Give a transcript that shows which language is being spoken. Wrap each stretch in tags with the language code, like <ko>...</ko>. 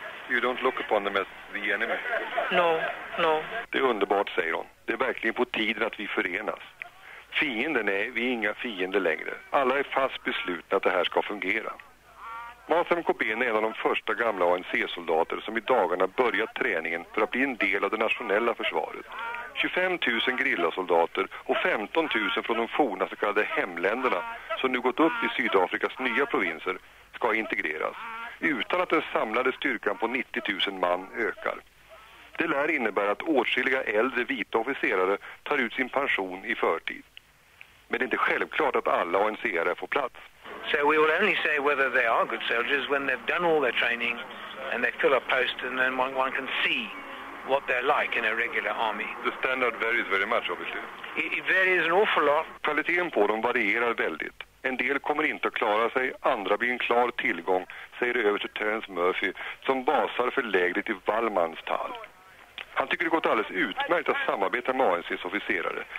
<en>You don't look upon them as the enemy. No, no.</en> <sv>Det är underbart, säger hon. Det är verkligen på tiden att vi förenas. Fienden är vi inga fiender längre. Alla är fast beslutna att det här ska fungera. Martha Mkobene är en av de första gamla ANC-soldater som i dagarna börjat träningen för att bli en del av det nationella försvaret. 25 000 grillasoldater och 15 000 från de forna så kallade hemländerna som nu gått upp i Sydafrikas nya provinser ska integreras utan att den samlade styrkan på 90 000 man ökar. Det lär innebära att åtskilliga äldre vita officerare tar ut sin pension i förtid. Men det är inte självklart att alla ANC-are får plats.</sv> <en>So we will only say whether they are good soldiers when they've done all their training and they fill a post and then one can see what they're like in a regular army. The standard varies very much, obviously. It varies an awful lot.</en> <sv>Kvaliteten på dem varierar väldigt. En del kommer inte att klara sig, andra blir en klar tillgång, säger över till Terence Murphy som basar för lägret i Valmanstal. Han tycker det gått alldeles utmärkt att samarbeta med ANCs officerare.</sv>